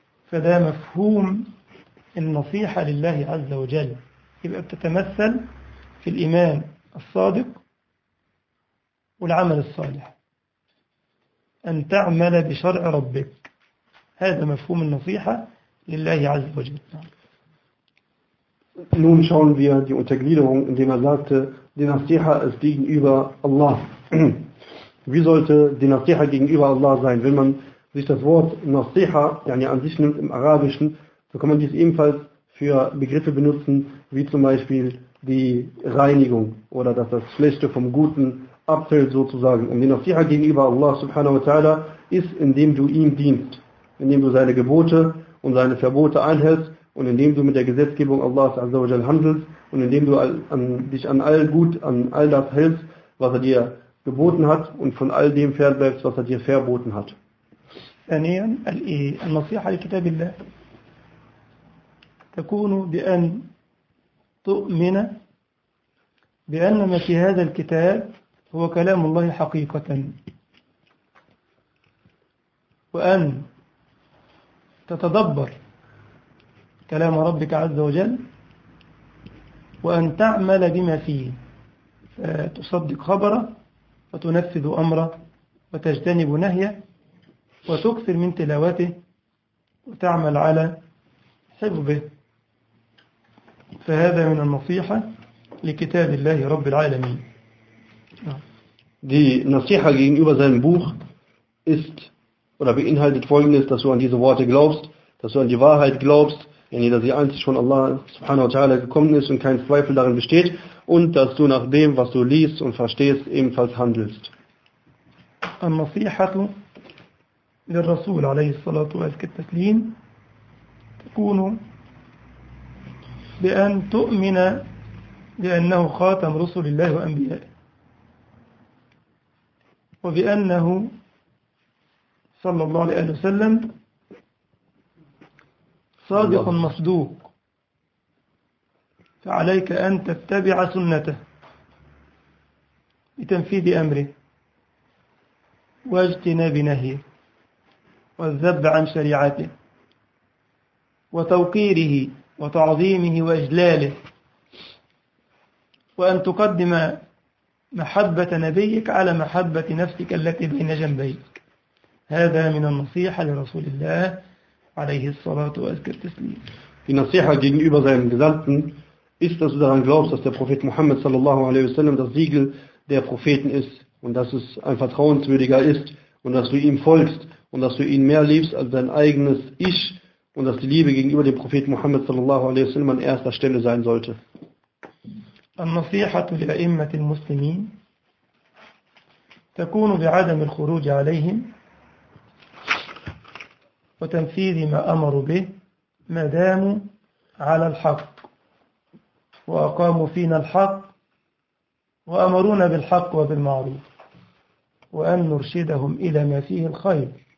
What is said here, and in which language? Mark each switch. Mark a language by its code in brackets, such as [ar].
[ar] فده مفهوم النصيحة لله عز وجل، يبقى تتمثل في الإيمان الصادق والعمل الصالح، أن تعمل بشرع ربك. هذا مفهوم النصيحة لله عز وجل. [de] Nun schauen wir die Untergliederung, indem er sagte, die Nasiha ist gegenüber Allah. Wie sollte die Nasiha gegenüber Allah sein? Wenn man sich das Wort Nasiha yani an sich nimmt im Arabischen, so kann man dies ebenfalls für Begriffe benutzen, wie zum Beispiel die Reinigung oder dass das Schlechte vom Guten abfällt sozusagen. Und die Nasiha gegenüber Allah subhanahu wa ta'ala ist, indem du ihm dienst, indem du seine Gebote und seine Verbote einhältst und indem du mit der Gesetzgebung Allahs Azza wa Jal handelst und indem du dich an all Gut, an all das hältst, was er dir geboten hat und von all dem fernbleibst, was er dir verboten hat. [ar] ثانيا النصيحة لكتاب الله تكون بأن تؤمن بأن ما في هذا الكتاب هو كلام الله حقيقة وأن تتدبر كلام ربك عز وجل وأن تعمل بما فيه فتصدق خبره وتنفذ أمره وتجتنب نهيه وتكثر من تلاوته وتعمل على حفظه. فهذا من النصيحة لكتاب الله رب العالمين. دي نصيحة [de] gegenüber seinem Buch ist oder beinhaltet folgendes, dass du an diese Worte glaubst, dass du an die Wahrheit glaubst, yani, dass sie einzig von Allah subhanahu wa ta'ala gekommen ist und kein Zweifel darin besteht und dass du nach dem, was du liest und verstehst, ebenfalls handelst. [ar] An-Nasihatu lil-Rasul alayhi salatu wa al-kittaklin takunu bi-an tu'mina bi-annahu khatam rusulillahi wa anbiya'i wa bi-annahu sallallahu alayhi wa sallam صادق مصدوق فعليك أن تتبع سنته لتنفيذ أمره واجتناب نهيه والذب عن شريعته وتوقيره وتعظيمه وإجلاله وأن تقدم محبة نبيك على محبة نفسك التي بين جنبيك هذا من النصيحة لرسول الله عليه الصلاة والسلام. [de] Die Nasiha gegenüber seinem Gesandten ist, dass du daran glaubst, dass der Prophet Muhammad sallallahu alaihi wasallam das Siegel der Propheten ist und dass es ein vertrauenswürdiger ist und dass du ihm folgst und dass du ihn mehr liebst als dein eigenes Ich und dass die Liebe gegenüber dem Propheten Muhammad sallallahu alaihi wasallam an erster Stelle sein sollte. [ar] النصيحة لأئمة المسلمين تكون بعدم الخروج عليهم وتنفيذ ما أمروا به ما داموا على الحق وأقاموا فينا الحق وأمرونا بالحق وبالمعروف وأن نرشدهم إلى ما فيه الخير